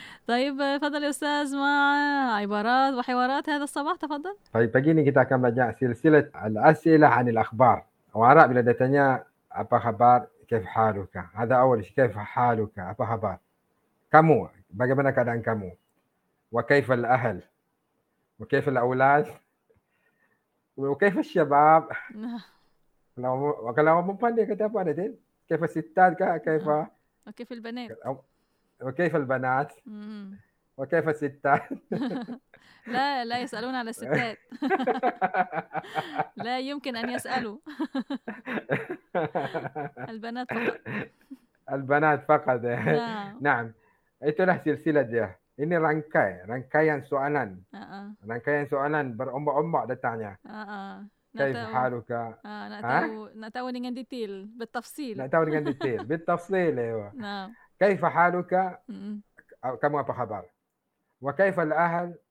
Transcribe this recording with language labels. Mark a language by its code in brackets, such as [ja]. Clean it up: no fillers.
[ar] طيب تفضل يا استاذ مع عبارات وحوارات هذا الصباح تفضل. [ms] طيب begini kita akan banyak [ar] silsilah al-as'ilah 'an al-akhbar. [ms] Awara bila ditanya apa khabar? [ar] كيف حالك؟ هذا اول شيء كيف حالك؟ [ms] apa khabar? Kamu bagaimana keadaan kamu? [ar] Wa kaifa al-ahl? وكيف الأولاد وكيف الشباب وكلام مو فاضي كده أبو عادل كيف الستات كيف وكيف البنات وكيف البنات وكيف الستات لا لا يسألون على الستات لا يمكن أن يسألوا البنات فقط البنات فقط نعم [ms] itu lah silsilah dia. Ini rangkai, rangkaian soalan. Rangkaian soalan berombak-ombak datangnya. [ar] Kaif haluka? [ms] Nak tahu dengan detail, bertafsil. Nak tahu dengan detail, bertafsil. [ar] Kaif haluka? [ms] Kamu apa khabar? [ar] Wa kaif al-ahal?